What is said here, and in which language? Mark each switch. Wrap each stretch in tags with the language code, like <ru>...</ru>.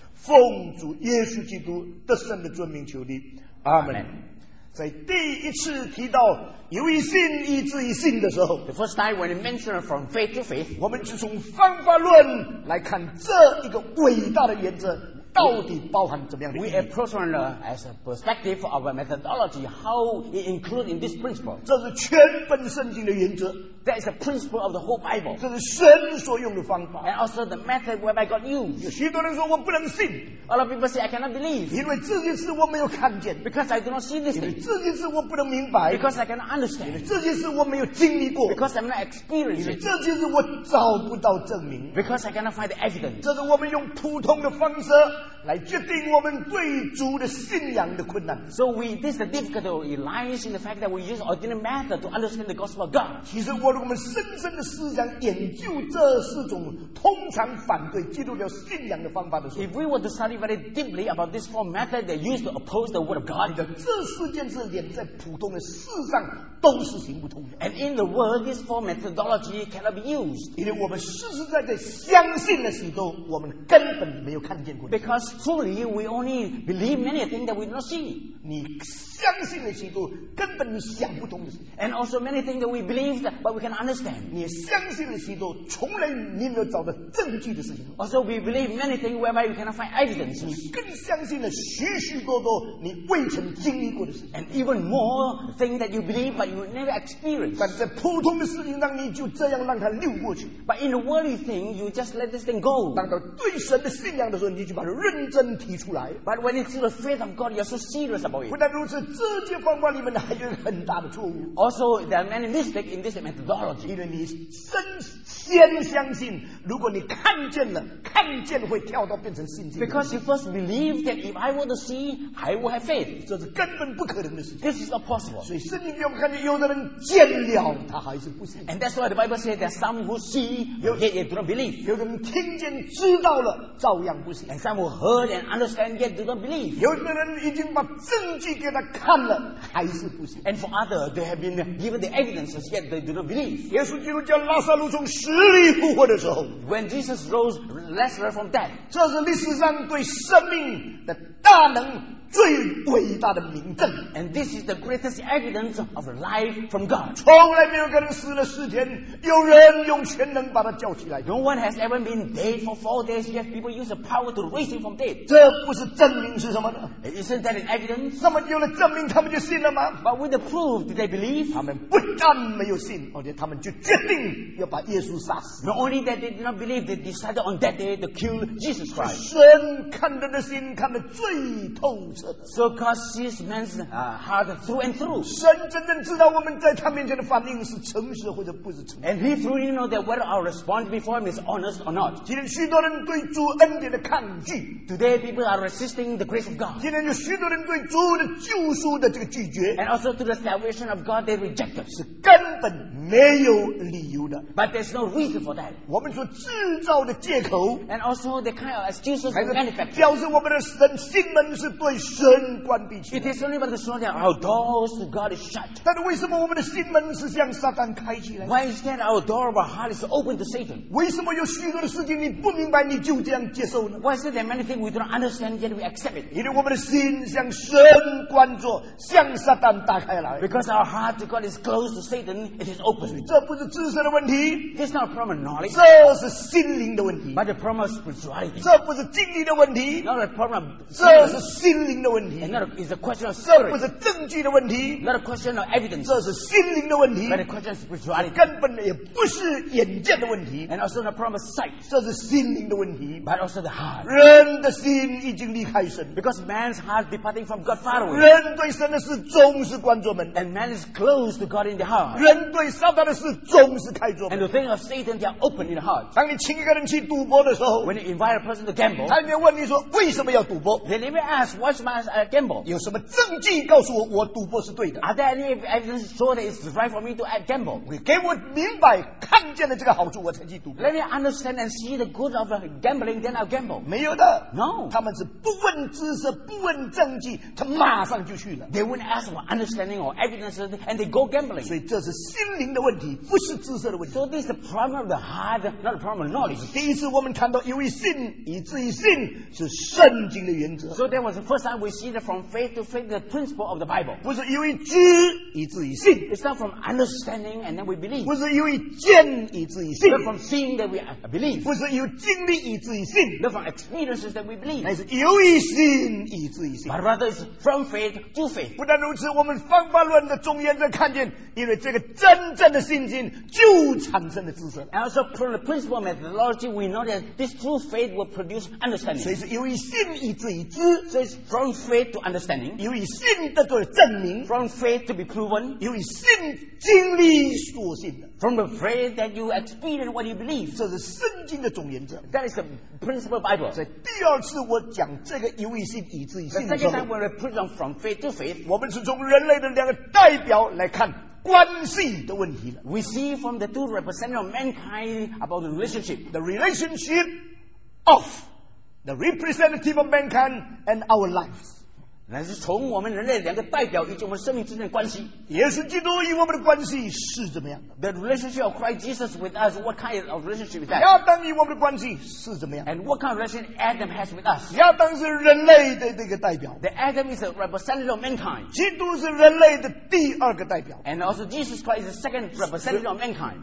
<zh>奉主耶稣基督得胜的尊名求你，阿门。在第一次提到由于信以至于信的时候</zh> <en>，The first time when it mentioned from faith to faith，</en> <zh>我们就从方法论来看这一个伟大的原则到底包含怎么样的意义。</zh> <en>We approach from the as a perspective of our methodology how it includes in this principle。</en> <zh>这是全本圣经的原则</zh> <en>，That is the principle of the whole Bible。</en> <zh>这是神所用的方法</zh> <en>，And also the method whereby God used。</en> <zh>许多人说我不能信</zh> <en>，A lot of people say I cannot believe。</en> <zh>因为这件事我没有看见</zh> <en>，Because I do not see this thing。</en> <zh>这件事我不能明白</zh> <en>，Because I cannot understand。</en> <zh>这件事我没有经历过</zh> <en>，Because I'm not experienced。</en> <zh>这件事我找不到证明</zh> <en>，Because I cannot find the evidence。</en> <zh>这是我们用普通的方式来决定我们对主的信仰的困难。</zh> <en>So we, this is the difficulty lies in the fact that we use ordinary method to understand the gospel of God.</en> <zh>其实我如果我们深深的思想研究这四种通常反对基督教信仰的方法的时候</zh> <en>，If we were to study very deeply about this four method they use to oppose the word of God,</en> <zh>这四件事连在普通的世上都是行不通的。</zh> <en>And in the world, this four methodology cannot be used.</en> <zh>因为我们实实在在相信的许多，我们根本没有看见过。</zh> <en>Because truly, we only believe many things that we do not see.</en> <zh>你相信的许多根本你想不通的事。</zh> <en>And also many things that we believe that, but we cannot understand.</en> <zh>你相信的许多从来你没有找到证据的事情。</zh> <en>Also, we believe many things whereby we cannot find evidence.</en> <zh>你更相信的许许多多你未曾经历过的事。</zh> <en>And even more things that you believe, but you never experience.</en> <zh>但在普通的事情上，你就这样让它溜过去。</zh> <en>But in the worldly thing, you just let this thing go.</en> <zh>当到对神的信仰的时候，你就把它认真提出来。</zh> <en>But when it's the faith of God, you're so serious about it.</en> <zh>不但如此，这些方法里面还有很大的错误。</zh> <en>Also, there are many mistakes in this methodology.</en> <zh>因为你深先相信，如果你看见了，看见会跳到变成信心。</zh> <en>Because you first believe that if I were to see, I would have faith.</en> <zh>这是根本不可能的事情。</zh> <en>This is not possible.</en> <zh>所以圣经里面看见有的人见了，他还是不信。</zh> <en>And that's why the Bible says that some who see, yet they do not believe.</en> <zh>有的人听见知道了，照样不信。</zh> <en>And some who heard and understand yet do not believe.</en> <zh>有的人已经把证据给他看了，还是不信。</zh> <en>And for others, they have been given the evidences yet they do not believe.</en> <zh>耶稣基督叫拉撒路从死里复活的时候</zh> <en>，When Jesus rose Lazarus from death,</en> <zh>这是历史上对生命的大能最伟大的明证。</zh> <en>And this is the greatest evidence of life from God.</en> <zh>从来没有个人死了四天，有人用全能把他叫起来。</zh> <en>No one has ever been dead for four days, yet people use the power to raise him from dead.</en> <zh>这不是证明是什么呢？</zh> <en>Isn't that an evidence?</en> <zh>那么有了证明，他们就信了吗？</zh> <en>But with the proof, did they believe?</en> <zh>他们不但没有信，而且他们就决定要把耶稣杀死。</zh> <en>Not only that they did not believe, they decided on that day to kill Jesus Christ.</en> <zh>神看着的心看得最透彻。</zh> <en>So God sees man's heart through and through.</en> <zh>神真正知道我们在他面前的反应是诚实或者不是诚实。</zh> <en>And He truly knows that whether our response before Him is honest or not.</en> <zh>今天许多人对主恩典的抗拒。</zh> <en>Today people are resisting the grace of God.</en> <zh>今天有许多人对主的救赎的这个拒绝。</zh> <en>And also to the salvation of God they reject it.</en> <zh>是根本没有理由的。</zh> <en>But there's no reason for that.</en> <zh>我们所制造的借口。</zh> <en>And also the kind of excuses we manufacture.</en> <zh>表示我们的神心门是对。神关闭起来。</zh> <en>It is only by the sword that our doors to God is shut.</en> <zh>但为什么我们的心门是向撒旦开起来？</zh> <en>Why is that our door of our heart is open to Satan?</en> <zh>为什么有许多的事情你不明白你就这样接受呢？</zh> <en>Why is there many things we do not understand yet we accept it?</en> <zh>因为我们的心向神关着，向撒旦打开来。</zh> <en>Because our heart to God is closed to Satan, it is open.</en> <zh>这不是知识的问题。</zh> <en>It's not a problem of knowledge.</en> <zh>这是心灵的问题。</zh> <en>But the problem of spirituality.</en> <zh>这不是经历的问题。</zh> <en>Not a problem.</en> <zh>这是心灵。这不是证据的问题，</zh> <en>not a question of evidence.</en> <zh>这是心灵的问题，</zh> <en>but a question of spirituality.</en> <zh>根本也不是眼见的问题，</zh> <en>and also not a problem of sight.</en> <zh>这是心灵的问题，</zh> <en>but also the heart.</en> <zh>人的心已经离开神，</zh> <en>because man's heart departing from God far away.</en> <zh>人对神的事总是关着门，</zh> <en>and man is closed to God in the heart.</en> <zh>人对撒旦的事总是开着门，</zh> <en>and the things of Satan they are open in the heart.</en> <zh>当你请一个人去赌博的时候，</zh> <en>when you invite a person to gamble,</en> <zh>他就问你说为什么要赌博？</zh> <en>Then they may ask why should gamble.</en> <zh>有什么证据告诉我我赌博是对的？</zh> <en>Are there any evidence show that it's right for me to gamble?</en> <zh>你给我明白看见了这个好处我才去赌博。</zh> <en>Let me understand and see the good of gambling, then I'll gamble.</en> <zh>没有的。</zh> <en>No.</en> <zh>他们是不问知识，不问证据，他马上就去了。</zh> <en>They won't ask for understanding or evidence, and they go gambling.</en> <zh>所以这是心灵的问题，不是知识的问题。</zh> <en>So this is the problem of the heart, not the problem of knowledge.</en> <zh>第一次我们谈到由于信以至于信是圣经的原则。</zh> <en>So that was the first time we see that from faith to faith the principle of the Bible.</en> <zh>不是由于知以至于信。</zh> <en>It's not from understanding and then we believe.</en> <zh>不是由于见以至于信。</zh> <en>Not from seeing that we believe.</en> <zh>不是由于经历以至于信。</zh> <en>Not from experiences that we believe.</en> <zh>乃是由于信以至于信。</zh> <en>But rather it's from faith to faith.</en> <zh>不但如此，我们方法论的中原则看见，因为这个真正的信心就产生了知识。</zh> <en>And also from the principle of methodology, we know that this true faith will produce understanding.</en> <zh>所以是由于信以至于知。</zh> <en>So it's from faith to understanding,</en> <zh>由于信得到证明,</zh> <en>from faith to be proven,</en> <zh>由于信经历所信的,</zh> <en>from the faith that you experience what you believe,</en> <zh>这是圣经的总原则,</zh> <en>that is the principle of Bible.</en> <zh>所以第二次我讲这个由于信以至于信的时候,</zh> <en>the second time we preach on from faith to faith,</en> <zh>我们是从人类的两个代表来看关系的问题了。</zh> <en>We see from the two representatives of mankind about the relationship, the relationship of the representative of mankind and our lives.</en> <zh>那是从我们人类两个代表以及我们生命之间的关系。耶稣基督与我们的关系是怎么样的？</zh> <en>The relationship of Christ Jesus with us, what kind of relationship is that?</en> <zh>亚当与我们的关系是怎么样？</zh> <en>And what kind of relationship Adam has with us?</en> <zh>亚当是人类的这个代表。</zh> <en>The Adam is a representative of mankind.</en> <zh>基督是人类的第二个代表。</zh> <en>And also Jesus Christ is the second representative of mankind.</en>